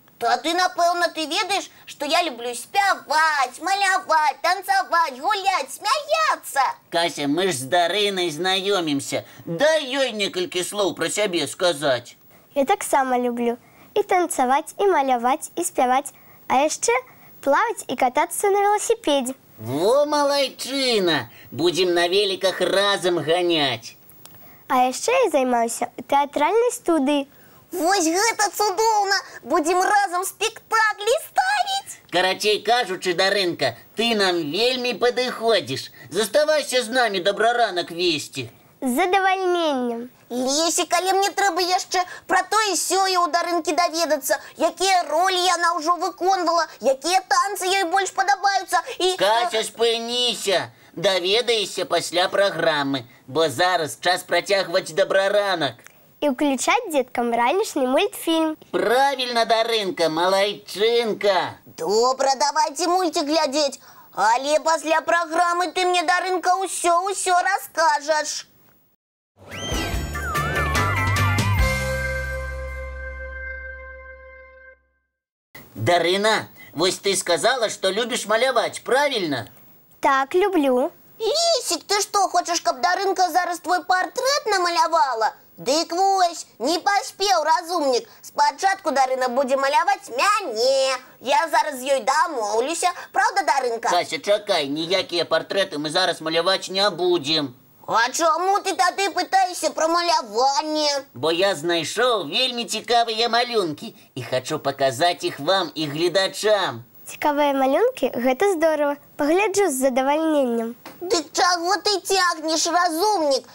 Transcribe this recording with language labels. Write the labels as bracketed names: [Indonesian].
[Belarusian] Тады, напэўна, ты ведаеш, што я люблю спяваць, маляваць, танцаваць, гуляць, смяяцца. Кася, мы ж з Дарынай знаёмімся. Дай ёй некалькі слоў пра сябе сказаць. Я таксама люблю і танцаваць, і маляваць, і спяваць, а яшчэ плаваць і катацца на велосіпедзе. Во, малайчына! Будем на великах разом гонять. А еще я займаюся театральной студией. Вось это цудовно! Будем разом спектакли ставить! Карачей кажучи, Дарынка, ты нам вельми подыходишь. Заставайся с нами, добраранок вести. С задовольнением. Лесик, але мне трэба яшчэ про то и сё я у Дарынкі даведацца. Якія ролі яна ўжо выконвала, якія танцы ёй больш падабаюцца і... Кася, спыніся! Даведайся пасля праграмы, бо зараз час працягваць добраранак. І ўключаць деткам ранішні мультфільм. Правільна, Дарынка, малайчынка! Добра, давайте мультик глядзець. Але пасля праграмы ты мне, Дарынка, ўсё раскажаш. Дарына, вось ты сказала, что любишь малявать, правильно? Так, люблю. Лисик, ты что, хочешь, каб Дарынка зараз твой портрет намалявала? Дык вось, не поспел, разумник. Спачатку Дарына будзе маляваць мяне. Я зараз ёй дамоўлюся, правда, Дарынка? Кася, чакай, ніякія партрэты мы зараз маляваць не будзем. [Ukrainian] А чому ти тоді питаєшся про малювання? Бо я знайшов вельми цікаві малюнки і хочу показати їх вам і глядачам. Цікаві малюнки? [Belarusian] Гэта здорово. Погляджу з задовольненням. [Ukrainian] Ти чого ти тягнеш, розумник?